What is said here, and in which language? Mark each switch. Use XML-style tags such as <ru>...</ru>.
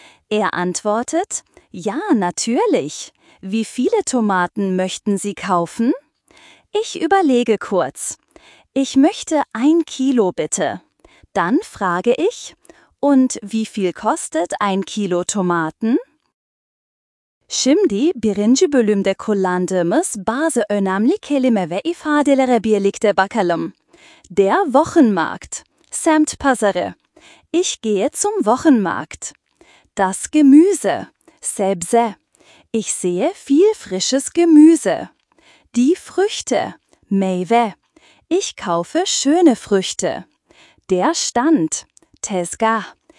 <de>Er antwortet: Ja, natürlich. Wie viele Tomaten möchten Sie kaufen? Ich überlege kurz. Ich möchte 1 Kilo, bitte. Dann frage ich: Und wie viel kostet 1 Kilo Tomaten?</de> <tr>Şimdi birinci bölümde kullandığımız bazı önemli kelime ve ifadelere birlikte bakalım.</tr> <de>Der Wochenmarkt,</de> <tr>Semt pazarı.</tr> <de>Ich gehe zum Wochenmarkt. Das Gemüse,</de> <tr>Sebze.</tr> <de>Ich sehe viel frisches Gemüse. Die Früchte,</de> <tr>Meyve.</tr> <de>Ich kaufe schöne Früchte. Der Stand,</de> <tr>Tezgah.</tr>